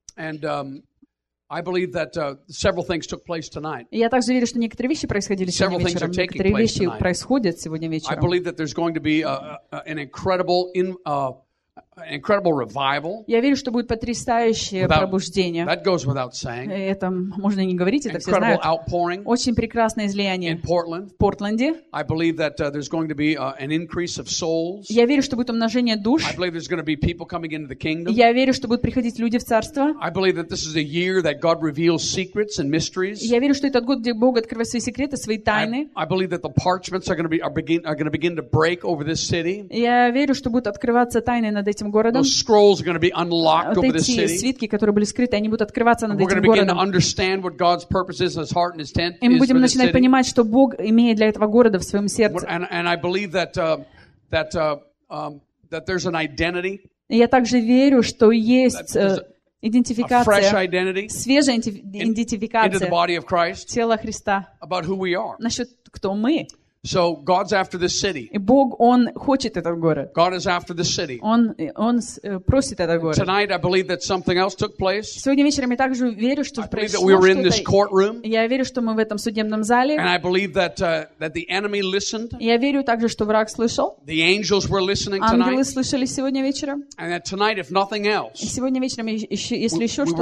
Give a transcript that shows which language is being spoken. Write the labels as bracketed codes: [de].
[en] And I believe that several things took place tonight. [ru] Я также верю, что некоторые вещи происходили сегодня [en] several [ru] вечером. [en] Things are taking [ru] некоторые [en] place [ru] вещи [en] tonight. [ru] Происходят сегодня вечером. [en] I believe that there's going to be an incredible an incredible revival. [ru] Я верю, что будет потрясающее пробуждение. [en] That goes without saying. [ru] Это можно не говорить, это все знают. [en] Outpouring. [ru] Очень прекрасное излияние. [en] In Portland. [ru] В Портленде. [en] I believe that there's going to be an increase of souls. [ru] Я верю, что будет умножение душ. [en] I believe there's going to be people coming into the kingdom. [ru] Я верю, что будут приходить люди в царство. [en] I believe that this is a year that God reveals secrets and mysteries. [ru] Я верю, что этот год, где Бог открывает свои секреты, свои тайны. [en] I believe that the parchments are going to begin to break over this city. [ru] Я верю, что будут открываться тайны над этим городом. [en] Those scrolls are going to be unlocked [ru] вот [en] over this city. [ru] Эти свитки, которые были скрыты, они будут открываться над этим городом. [en] We're going to begin to understand what God's purpose is, His heart and His intent. [ru] И мы будем начинать понимать, что Бог имеет для этого города в своем сердце. [en] And I believe that that there's an identity. [ru] Я также верю, что есть идентификация. [en] A fresh identity. [ru] Свежая идентификация. [en] Into the body of Christ. [ru] Тело Христа. [en] About who we are. [ru] Насчет кто мы. [en] So God's after this city. [ru] И Бог, Он хочет этот город. [en] God is after this city. [ru] Он просит этот город. [en] Tonight I believe that something else took place. [ru] Сегодня вечером я также верю, что произошло. [en] I believe that we were in this courtroom. [ru] Я верю, что мы в этом судебном зале. [en] And I believe that that the enemy listened. [ru] Я верю также, что враг слышал. [en] The angels were listening [ru] ангелы [en] tonight. [ru] Ангелы слышали сегодня вечером. [en] And that tonight, if nothing else. [ru] И сегодня вечером, если еще что-то.